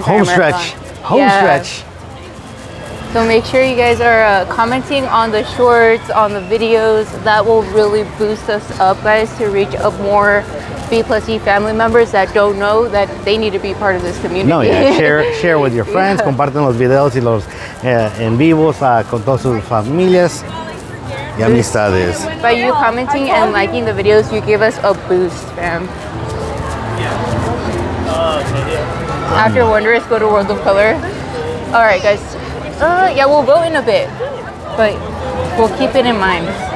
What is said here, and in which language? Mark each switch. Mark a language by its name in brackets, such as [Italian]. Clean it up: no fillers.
[English] home stretch. Home stretch. So make sure you guys are commenting on the shorts, on the videos. That will really boost us up, guys, to reach up more B+E family members that don't know that they need to be part of this community. No, yeah. Share with your friends. Yeah. [Spanish] Comparten los videos y los en vivos con todas sus familias y amistades. [English] By you commenting and liking the videos, you give us a boost, fam. After Wonderous, go to World of Color. All right, guys. Yeah, we'll vote in a bit, but we'll keep it in mind.